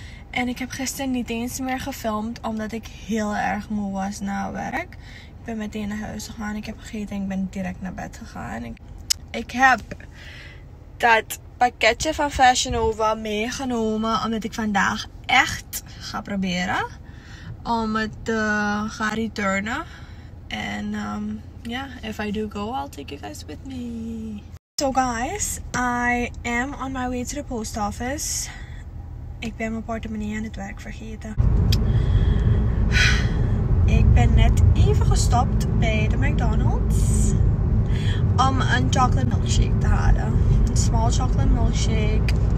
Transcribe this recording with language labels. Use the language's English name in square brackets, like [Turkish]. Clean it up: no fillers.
[Dutch] En ik heb gisteren niet eens meer gefilmd omdat ik heel erg moe was na werk. Ik ben meteen naar huis gegaan. Ik heb gegeten en ik ben direct naar bed gegaan. Ik heb dat pakketje van Fashion Nova meegenomen omdat ik vandaag echt ga proberen om het te gaan returnen. [English] En if I do go, I'll take you guys with me. So guys, I am on my way to the post office. [Dutch] Ik ben mijn portemonnee aan het werk vergeten. Ik ben net even gestopt bij de McDonald's om een chocolate milkshake te halen. Een small chocolate milkshake.